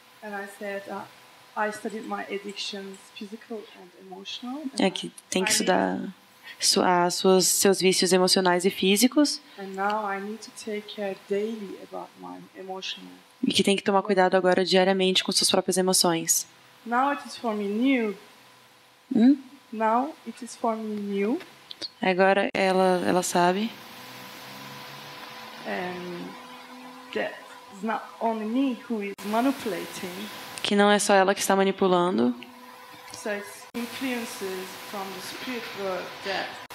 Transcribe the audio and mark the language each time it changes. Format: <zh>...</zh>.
<en>and I said I studied my addictions physical and emotional,</en> <pt>é que tem que estudar seus vícios emocionais e físicos,</pt> <en>and now I need to take care daily about my emotional,</en> <pt>e que tem que tomar cuidado agora diariamente com suas próprias emoções.</pt> <en>Now it is for me new. Now it is for me new.</en> <pt>Agora ela sabe.</pt> <en>That it's not only me who is manipulating.</en> <pt>Que não é só ela que está manipulando.</pt> <en>So it's influences from the spirit world that</en>